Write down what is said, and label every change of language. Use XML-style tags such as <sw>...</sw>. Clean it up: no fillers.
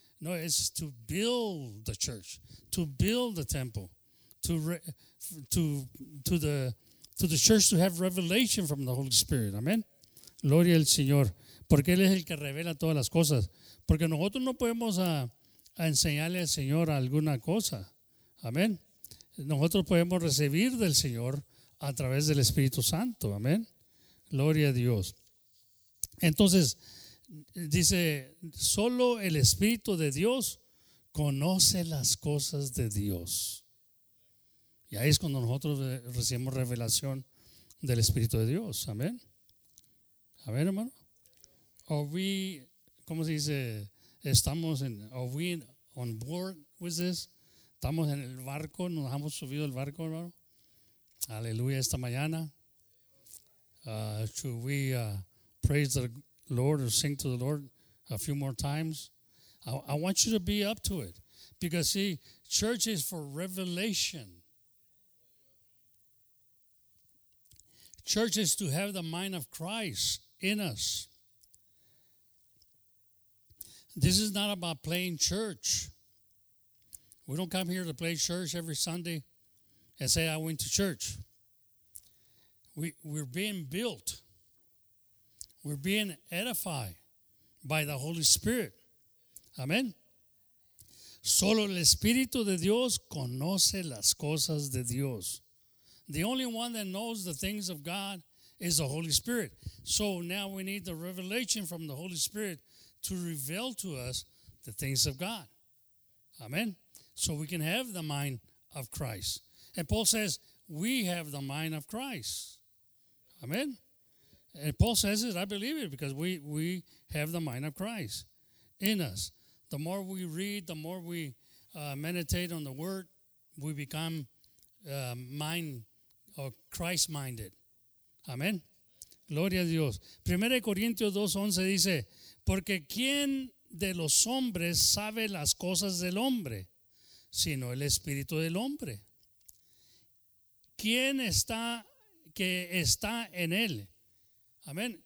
<en>No, it's to build the church, to build the temple, to the church to have revelation from the Holy Spirit.</en> <es>Amén. Gloria al Señor. Porque Él es el que revela todas las cosas. Porque nosotros no podemos a enseñarle al Señor alguna cosa. Amén. Nosotros podemos recibir del Señor a través del Espíritu Santo. Amén. Gloria a Dios. Entonces, dice, solo el Espíritu de Dios conoce las cosas de Dios. Y ahí es cuando nosotros recibimos revelación del Espíritu de Dios. Amén. A ver, hermano.</es> <en>Are we on board with this?</en> <es>Estamos en el barco, nos hemos subido el barco, hermano. Aleluya, esta mañana.</es> <en>Should we praise the Lord or sing to the Lord a few more times? I want you to be up to it. Because see, church is for revelation. Church is to have the mind of Christ in us. This is not about playing church. We don't come here to play church every Sunday and say, I went to church. We're being built. We're being edified by the Holy Spirit. Amen.</en> <es>Solo el Espíritu de Dios conoce las cosas de Dios.</es> <en>The only one that knows the things of God is the Holy Spirit. So now we need the revelation from the Holy Spirit to reveal to us the things of God. Amen. So we can have the mind of Christ. And Paul says, we have the mind of Christ. Amen. And Paul says it, I believe it, because we have the mind of Christ in us. The more we read, the more we meditate on the word, we become mind or Christ-minded.</en> <es>Amen. Gloria a Dios. 1 Corintios 2:11 dice, porque ¿quién de los hombres sabe las cosas del hombre, sino el espíritu del hombre? ¿Quién está que está en él? Amén.</es>